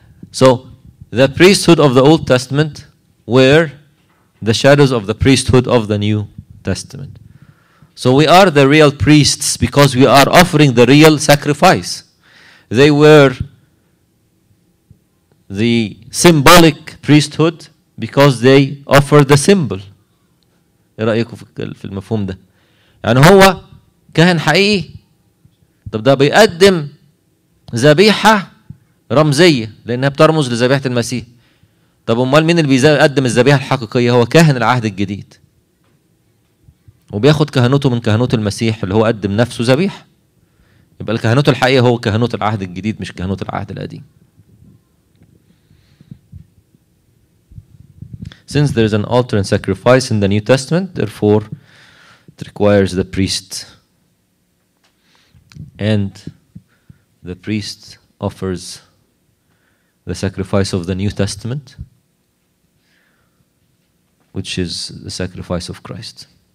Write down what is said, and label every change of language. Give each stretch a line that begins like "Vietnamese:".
English: So, the priesthood of the Old Testament were the shadows of the priesthood of the New Testament. So we are the real priests because we are offering the real sacrifice. They were the symbolic priesthood because they offer the symbol.
Arabic: إيه رأيكم في المفهوم ده؟ يعني هو كاهن حقيقي طب ده بيقدم ذبيحة رمزية لأنها بترمز لذبيحة المسيح. طب أمال مين اللي بيقدم الذبيحة الحقيقية؟ هو كاهن العهد الجديد وبياخد كهنوته من كهنوت المسيح اللي هو قدم نفسه ذبيحة. يبقى الكهنوت الحقيقي هو كهنوت العهد الجديد مش كهنوت العهد القديم.
English: Since there is an altar and sacrifice in the New Testament, therefore it requires the priest. And the priest offers the sacrifice of the New Testament, which is the sacrifice of Christ.